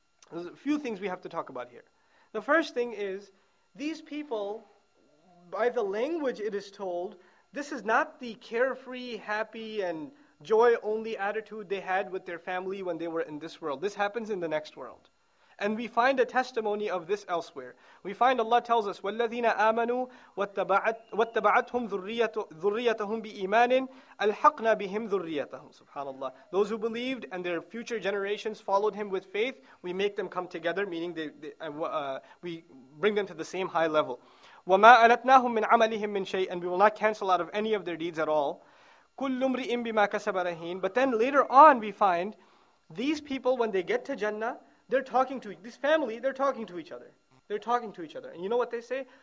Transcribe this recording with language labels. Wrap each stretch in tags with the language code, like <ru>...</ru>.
<en>There's a few things we have to talk about here. The first thing is, these people, by the language it is told, this is not the carefree, happy, and joy-only attitude they had with their family when they were in this world. This happens in the next world. And we find a testimony of this elsewhere. We find Allah tells us,</en> <ar>وَالَّذِينَ آمَنُوا وَاتَّبَعَتْهُمْ ذُرِّيَّتَهُمْ بِإِيمَانٍ أَلْحَقْنَا بِهِمْ ذُرِّيَّتَهُمْ SubhanAllah.</ar> <en>Those who believed and their future generations followed him with faith, we make them come together, meaning we bring them to the same high level.</en> <ar>وَمَا أَلَتْنَاهُمْ مِنْ عَمَلِهِمْ مِنْ شَيْءٍ</ar> <en>And we will not cancel out of any of their deeds at all.</en> <ar>كُلُّ امْرِئٍ بِمَا كَسَبَ رَهِينٍ</ar> <en>But then later on we find these people when they get to Jannah, they're talking to this family, they're talking to each other. They're talking to each other. And you know what they say?</en>